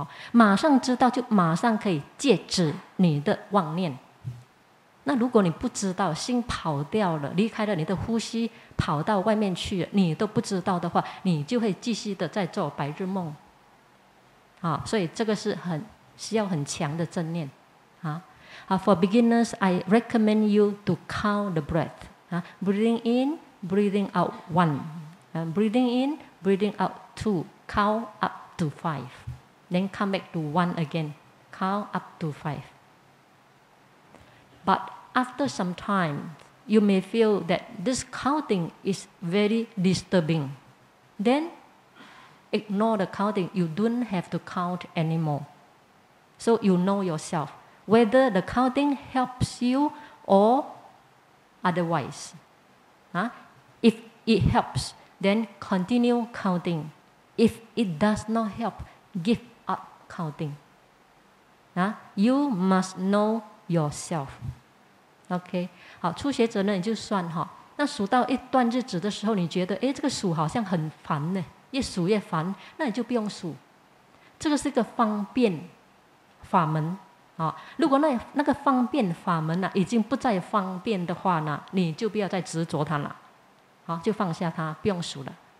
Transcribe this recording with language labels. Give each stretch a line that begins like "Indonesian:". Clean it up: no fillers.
Chinese: 马上知道就马上可以戒止你的妄念。那如果你不知道，心跑掉了，离开了你的呼吸，跑到外面去了，你都不知道的话，你就会继续的在做白日梦。所以这个是很需要很强的正念。
English: For beginners, I recommend you to count the breath. Breathing in, breathing out one. Breathing in, breathing out two. Count up to five. Then come back to one again. Count up to five. But after some time, you may feel that this counting is very disturbing. Then, ignore the counting. You don't have to count anymore. So you know yourself, whether the counting helps you or otherwise. If it helps, then continue counting. If it does not help, give up counting. You must know yourself.
Chinese: OK， 好，初学者呢你就算哈，那数到一段日子的时候，你觉得这个数好像很烦呢，越数越烦，那你就不用数，这个是一个方便法门啊。如果那个方便法门已经不再方便的话呢，你就不要再执着它了，好，就放下它，不用数了。